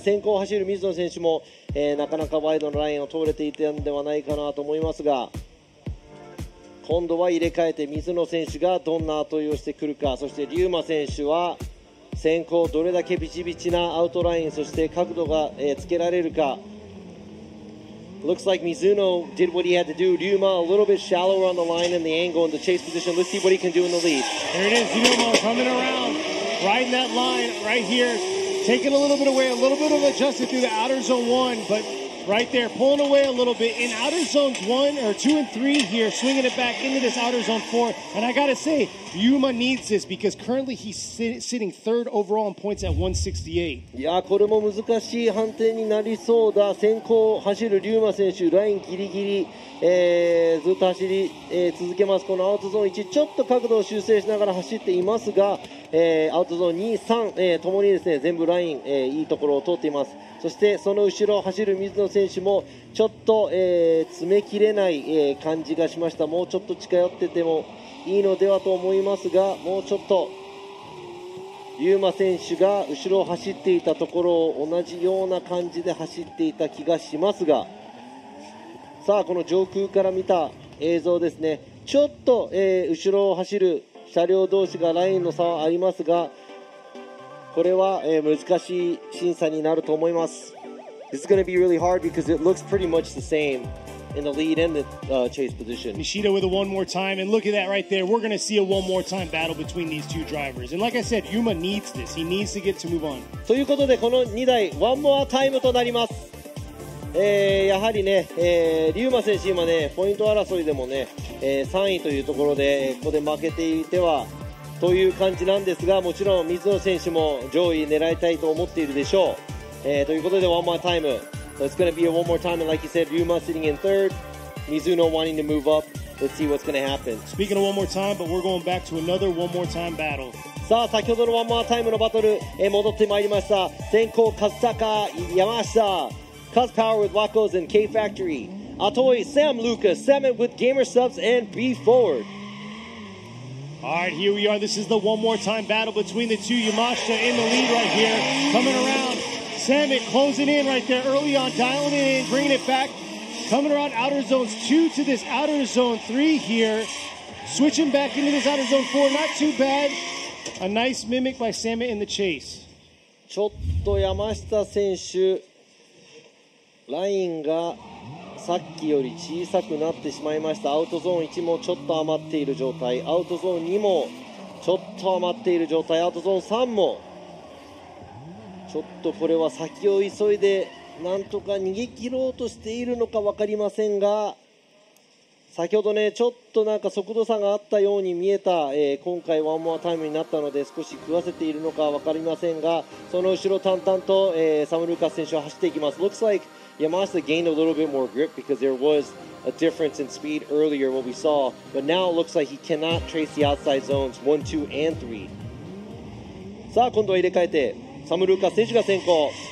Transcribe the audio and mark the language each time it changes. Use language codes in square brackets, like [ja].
[ja] 先行を走る水野選手も、なかなかワイドのラインを通れていたのではないかなと思いますが、今度は入れ替えて水野選手がどんな後追いをしてくるか。そして龍馬選手は先行どれだけビチビチなアウトライン、そして角度が、つけられるか。 [en] Looks like Mizuno did what he had to do. Ryuma a little bit shallower on the line and the angle and the chase position. Let's see what he can do in the lead. There it is, Ryuma coming around, riding that line right here, taking a little bit away, a little bit of adjusted through the outer zone one, but right there, pulling away a little bit in outer zones one or two and three here, swinging it back into this outer zone four. And I got to say, Ryuma needs this because currently he's sitting third overall in points at 168. [ja] いや、これも難しい判定になりそうだ。先行走るリューマ選手、ラインギリギリ、ずっと走り、続けます。このアウトゾーン1、ちょっと角度を修正しながら走っていますが、アウトゾーン2、3、ともにですね、全部ライン、いいところを通っています。そしてその後ろ走る水野選手もちょっと、詰め切れない、感じがしました。もうちょっと近寄っててもいいのではと思いますが、もうちょっとユーマ選手が後ろを走っていたところを同じような感じで走っていた気がしますが、さあこの上空から見た映像ですね、ちょっと、後ろを走る車両同士がラインの差はありますが、これは難しい審査になると思います。 [en] This is going to be really hard because it looks pretty much the same in the lead and the chase position. Nishida with it one more time, and look at that right there. We're going to see a one more time battle between these two drivers. And like I said, Yuma needs this. He needs to get to move on. [ja] ということで、この2台、one more time となります。やはりね、リューマ選手今ね、ポイント争いでもね、3位というところで、ここで負けていてはという感じなんですが、もちろん水野選手も上位狙いたいと思っているでしょう。ということで、ワンモアタイム。 [en] So it's gonna be a one more time, and like you said, Ryuma sitting in third, Mizuno wanting to move up. Let's see what's gonna happen. Speaking of one more time, but we're going back to another one more time battle. [ja] さあ、先ほどのワンモアタイムのバトル、戻ってまいりました。先行、カズタカ、ヤマシタ。 [en] Cuz Power with Wacos and K-Factory. Atoi, Sam Lucas, Samet with Gamer Subs and B-Forward. All right, here we are. This is the one more time battle between the two. Yamashita in the lead right here. Coming around. Samet closing in right there early on. Dialing it in, bringing it back. Coming around outer zones two to this outer zone three here. Switching back into this outer zone four. Not too bad. A nice mimic by Samet in the chase. [ja] ちょっと Yamashita 選手ラインがさっきより小さくなってしまいました。アウトゾーン1もちょっと余っている状態、アウトゾーン2もちょっと余っている状態、アウトゾーン3もちょっとこれは先を急いでなんとか逃げ切ろうとしているのか分かりませんが、先ほどねちょっとなんか速度差があったように見えた、今回ワンモアタイムになったので少し食わせているのか分かりませんが、その後ろ淡々と、サム・ルーカス選手は走っていきます。 [en] Looks like Yamashita gained a little bit more grip because there was a difference in speed earlier, what we saw. But now it looks like he cannot trace the outside zones 1, 2, and 3. [ja] さあ、今度は入れ替えて、サム・ルーカス選手が先行。